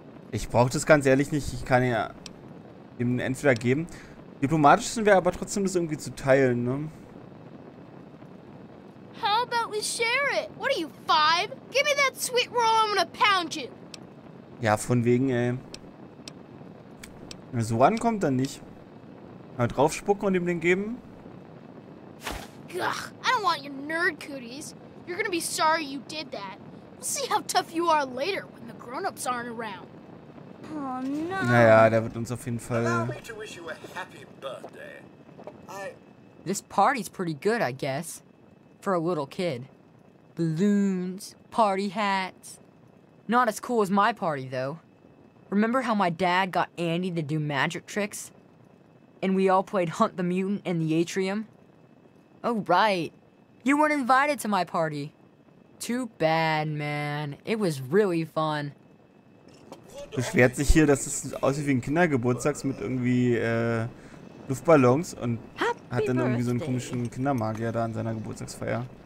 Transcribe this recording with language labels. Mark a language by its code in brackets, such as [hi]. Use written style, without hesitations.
[de] Ich brauche das ganz ehrlich nicht, ich kann ja ihm entweder geben. Diplomatisch sind wir aber trotzdem das irgendwie zu teilen, ne? [en] How about we share it? What are you, 5? Give me that sweet roll, I'm gonna pound you. [de] Ja, von wegen, ey. Wenn er so ankommt, dann nicht. Mal draufspucken und ihm den geben. [en] Ugh, I don't want your nerd cooties. You're gonna be sorry you did that. We'll see how tough you are later when the grown-ups aren't around. [de] Oh, no. Naja, der wird uns auf jeden Fall. [en] This party's pretty good, I guess, for a little kid. Balloons, party hats. Not as cool as my party though. Remember how my dad got Andy to do magic tricks, and we all played Hunt the Mutant in the atrium? Oh right, you weren't invited to my party. Too bad, man. It was really fun. [de] Beschwert sich hier, dass es aussieht wie ein Kindergeburtstag mit irgendwie Luftballons und hat dann irgendwie so einen komischen Kindermagier da an seiner Geburtstagsfeier.